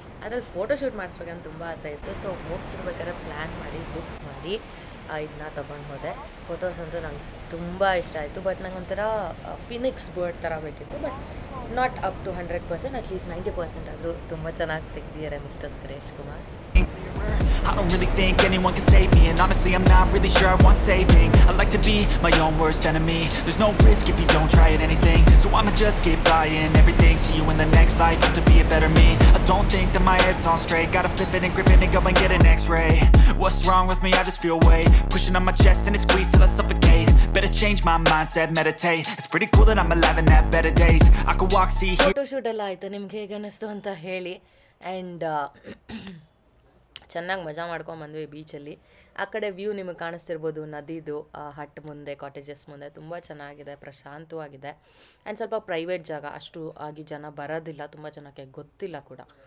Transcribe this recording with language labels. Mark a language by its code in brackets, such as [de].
[kn] ಅದರಲ್ಲಿ ಫೋಟೋಶೂಟ್ ಮಾಡಿಸ್ಬೇಕಂತ ತುಂಬ ಆಸೆ ಇತ್ತು. ಸೊ ಹೋಗ್ತಿರ್ಬೇಕಾದ್ರೆ ಪ್ಲ್ಯಾನ್ ಮಾಡಿ ಬುಕ್ ಮಾಡಿ ಇದನ್ನ ತೊಗೊಂಡು ಹೋದೆ. ಫೋಟೋಸ್ ಅಂತೂ ನಂಗೆ ತುಂಬ ಇಷ್ಟ ಆಯಿತು. ಬಟ್ ನಂಗೊಂಥರ ಫಿನಿಕ್ಸ್ ಬರ್ಡ್ ಥರ ಬೇಕಿತ್ತು, [en] but not up to 100%, [kn] at least 90% ಆದರೂ ತುಂಬ ಚೆನ್ನಾಗಿ ತೆಗ್ದಿದ್ದಾರೆ mister Suresh Kumar. [en] I don't really think anyone can save me. And honestly, I'm not really sure I want saving. I'd like to be my own worst enemy. There's no risk if you don't try at anything. So I'ma just get buying everything. See you in the next life, have to be a better me. I don't think that my head's on straight. Gotta flip it and grip it and go and get an x-ray. What's wrong with me? I just feel weight pushing on my chest and it squeezed till I suffocate. Better change my mindset, meditate. It's pretty cool that I'm alive and have better days. I could walk, see, hear. [kn] Photoshoot ಅಲ್ಲ ಆಯ್ತು ನಿಮ್ಗೆ ಅನಿಸ್ತು ಅಂತ ಹೇಳಿ. And ಚೆನ್ನಾಗಿ ಮಜಾ ಮಾಡ್ಕೊಂಬಂದ್ವಿ ಬೀಚಲ್ಲಿ. ಆ ಕಡೆ ವ್ಯೂ ನಿಮಗೆ ಕಾಣಿಸ್ತಿರ್ಬೋದು, ನದಿದು, ಹಟ್ ಮುಂದೆ, ಕಾಟೇಜಸ್ ಮುಂದೆ ತುಂಬ ಚೆನ್ನಾಗಿದೆ, ಪ್ರಶಾಂತವಾಗಿದೆ. ಆ್ಯಂಡ್ ಸ್ವಲ್ಪ ಪ್ರೈವೇಟ್ ಜಾಗ, ಅಷ್ಟು ಆಗಿ ಜನ ಬರೋದಿಲ್ಲ, ತುಂಬ ಜನಕ್ಕೆ ಗೊತ್ತಿಲ್ಲ ಕೂಡ.